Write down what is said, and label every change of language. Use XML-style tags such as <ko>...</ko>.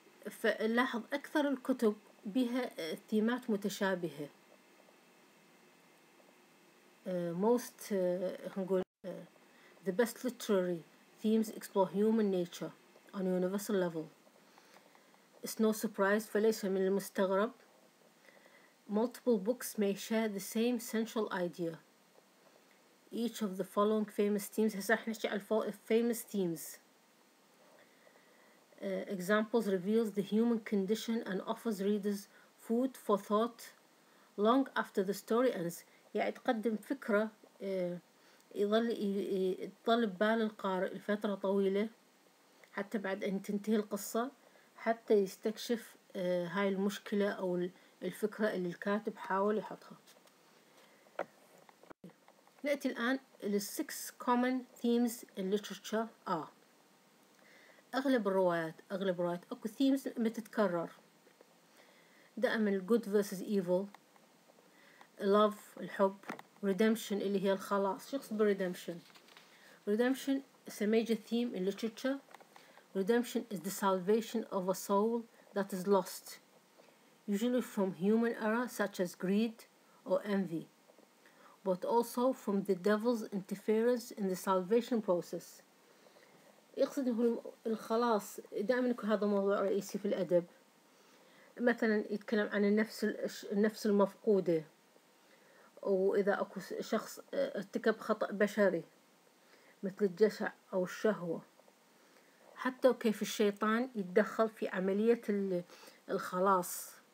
<ar>فلاحظ أكثر الكتب بها ثيمات متشابهة.</ar> <en>Most</en> <ar>نقول</ar> <en>the best literary themes explore human nature on a universal level. It's no surprise,</en> <ar>فليس من المستغرب.</ar> <en>Multiple books may share the same central idea. Each of the following famous themes,</en> <ar>هسا احنا نحكي على</ar> <en>famous themes. Examples reveals the human condition and offers readers food for thought long after the story ends.</en> <ar>يعني تقدم فكرة يظل بال القارئ لفترة طويلة حتى بعد أن تنتهي القصة، حتى يستكشف هاي المشكلة أو الفكرة اللي الكاتب حاول يحطها. نأتي الآن</ar> <en>للsix common themes in literature.</en> <ar>أغلب الروايات أكو themes متتكرر دائما،</ar> <en>good versus evil،</en> <ar>love الحب، redemption اللي هي الخلاص. شو يقصد</ar> <en>بالredemption؟ redemption is a major theme in literature. Redemption is the salvation of a soul that is lost, usually from human error such as greed or envy, but also from the devil's interference in the salvation process.</en> <ar>يقصد هو الخلاص دائما يكون هذا موضوع رئيسي في الأدب. مثلا يتكلم عن النفس المفقودة، وإذا أكو شخص ارتكب خطأ بشري مثل الجشع أو الشهوة، حتى وكيف الشيطان يتدخل في عملية الخلاص.</ar>